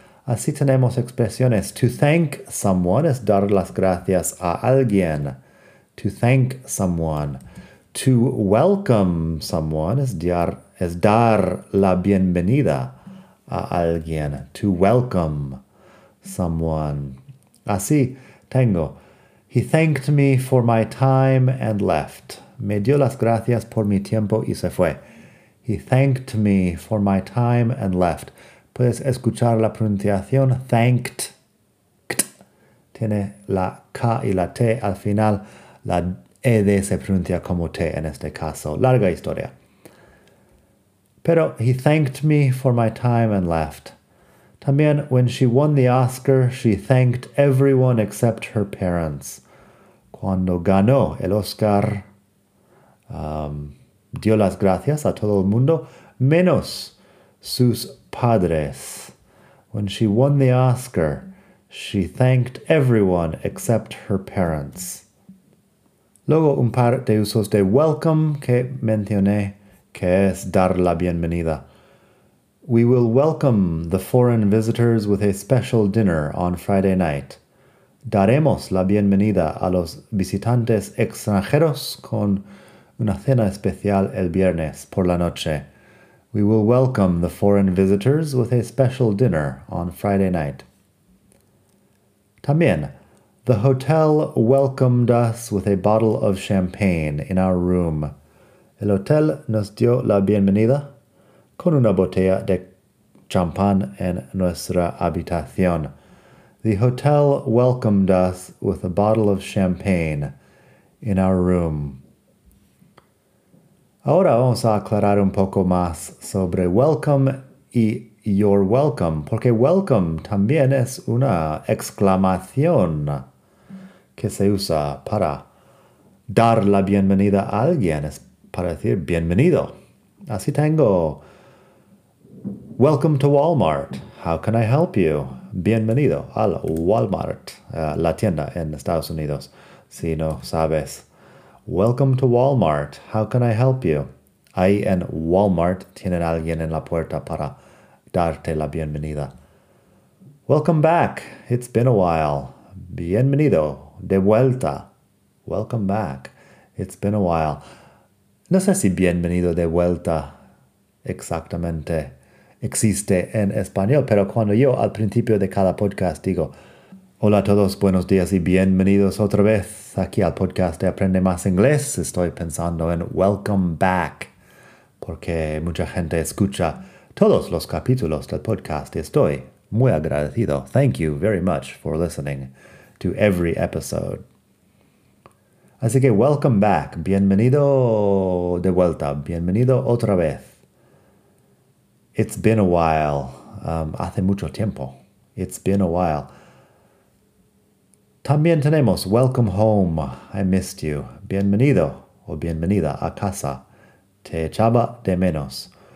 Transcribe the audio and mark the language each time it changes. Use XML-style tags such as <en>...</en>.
<es>Así tenemos expresiones</es> <en>to thank someone</en> <es>es dar las gracias a alguien.</es> <en>To thank someone. To welcome someone</en> <es>es dar la bienvenida a alguien.</es> <en>To welcome someone.</en> <es>Así tengo:</es> <en>he thanked me for my time and left.</en> <es>Me dio las gracias por mi tiempo y se fue.</es> <en>He thanked me for my time and left.</en> <es>Puedes escuchar la pronunciación thanked. K-t. Tiene la K y la T al final. La ED se pronuncia como T en este caso. Larga historia. Pero</es> <en>he thanked me for my time and left.</en> <es>También,</es> <en>when she won the Oscar, she thanked everyone except her parents.</en> <es>Cuando ganó el Oscar, dio las gracias a todo el mundo, menos sus padres.</es> <en>When she won the Oscar, she thanked everyone except her parents.</en> <es>Luego, un par de usos de welcome que mencioné, que es dar la bienvenida.</es> <en>We will welcome the foreign visitors with a special dinner on Friday night.</en> <es>Daremos la bienvenida a los visitantes extranjeros con una cena especial el viernes por la noche.</es> <en>We will welcome the foreign visitors with a special dinner on Friday night.</en> <es>También,</es> <en>the hotel welcomed us with a bottle of champagne in our room.</en> <es>El hotel nos dio la bienvenida con una botella de champán en nuestra habitación.</es> <en>The hotel welcomed us with a bottle of champagne in our room.</en> <es>Ahora vamos a aclarar un poco más sobre welcome y</es> <en>you're welcome,</en> <es>porque welcome también es una exclamación que se usa para dar la bienvenida a alguien, es para decir bienvenido. Así tengo,</es> <en>welcome to Walmart, how can I help you?</en> <es>Bienvenido al Walmart, la tienda en Estados Unidos, si no sabes.</es> <en>Welcome to Walmart, how can I help you?</en> <es>Ahí en Walmart tienen alguien en la puerta para darte la bienvenida.</es> <en>Welcome back, it's been a while.</en> <es>Bienvenido, de vuelta.</es> <en>Welcome back, it's been a while.</en> <es>No sé si bienvenido de vuelta exactamente existe en español, pero cuando yo al principio de cada podcast digo hola a todos, buenos días y bienvenidos otra vez aquí al podcast de Aprende Más Inglés. Estoy pensando en</es> <en>welcome back,</en> <es>porque mucha gente escucha todos los capítulos del podcast y estoy muy agradecido.</es> <en>Thank you very much for listening to every episode.</en> <es>Así que</es> <en>welcome back,</en> <es>bienvenido de vuelta, bienvenido otra vez.</es> <en>It's been a while,</en> <es>hace mucho tiempo.</es> <en>It's been a while.</en> <es>También tenemos</es> <en>welcome home, I missed you.</en> <es>Bienvenido o bienvenida a casa, te echaba de menos.</es>